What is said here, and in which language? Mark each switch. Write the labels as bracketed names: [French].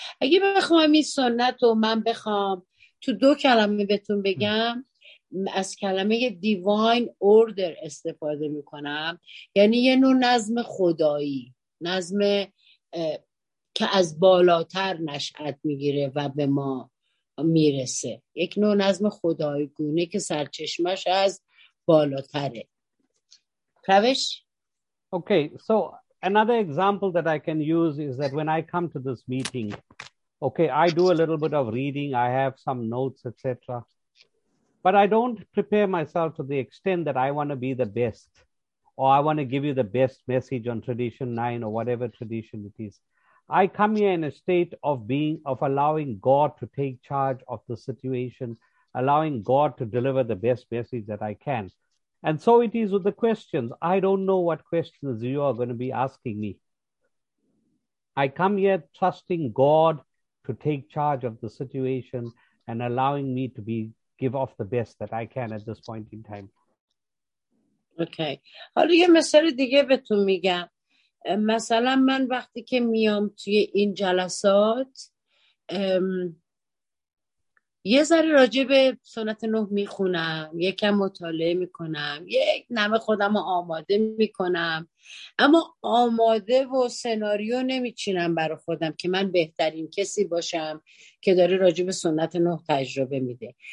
[Persian] اگه بخوام این سنت رو من بخوام تو دو کلمه بهتون بگم، از کلمه دیواین اوردر استفاده می کنم، یعنی یه نوع نظم خدایی، نظم که از بالاتر نشأت میگیره و به ما میرسه، یک نوع نظم خدایگونه که سرچشمش از بالاتره. پروش؟ [English] Okay, so another example that I can use is that when I come to this meeting, okay, I do a little bit of reading, I have some notes, etc. But I don't prepare myself to the extent that I want to be the best or I want to give you the best message on tradition 9 or whatever tradition it is. I come here in a state of being, of allowing God to take charge of the situation, allowing God to deliver the best message that I can. And so it is with the questions. I don't know what questions you are going to be asking me. I come here trusting God to take charge of the situation and allowing me to give off the best that I can at this point in time. [Persian] اوکی حالا یه مثال دیگه بهتون میگم. مثلا من وقتی که میام توی این جلسات یه ذره راجع به سنت نه میخونم، یکم مطالعه میکنم، یک نمه خودم رو آماده میکنم، اما آماده و سناریو نمیچینم برای خودم که من بهترین کسی باشم که داره راجع به سنت نه تجربه میده.